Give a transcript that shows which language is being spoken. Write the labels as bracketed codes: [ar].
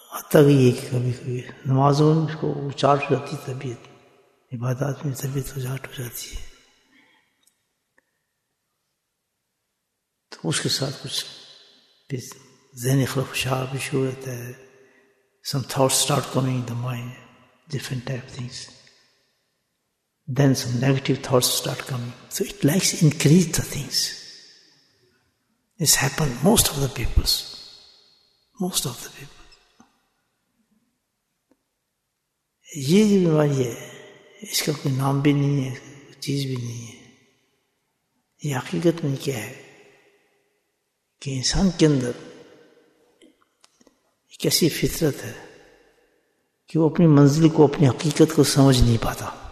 [ur] تک یہ کہ کبھی کبھی نمازوں میں اس کو اچاٹ ہو جاتی ہے طبیعت, عبادات میں طبیعت اچاٹ ہو جاتی ہے, تو اس کے ساتھ کچھ ذہنی خلفشار بھی شروع ہوتا ہے, [en] Some thoughts start coming the mind, different type things, then some negative thoughts start coming, so it likes increase the things. This happen most of the peoples, most of the people. [ur] یہ جو بیماری ہے اس کا کوئی نام بھی نہیں ہے, کوئی چیز بھی نہیں ہے. یہ حقیقت میں کیا ہے کہ انسان کے اندر ایک ایسی فطرت ہے کہ وہ اپنی منزل کو, اپنی حقیقت کو سمجھ نہیں پاتا.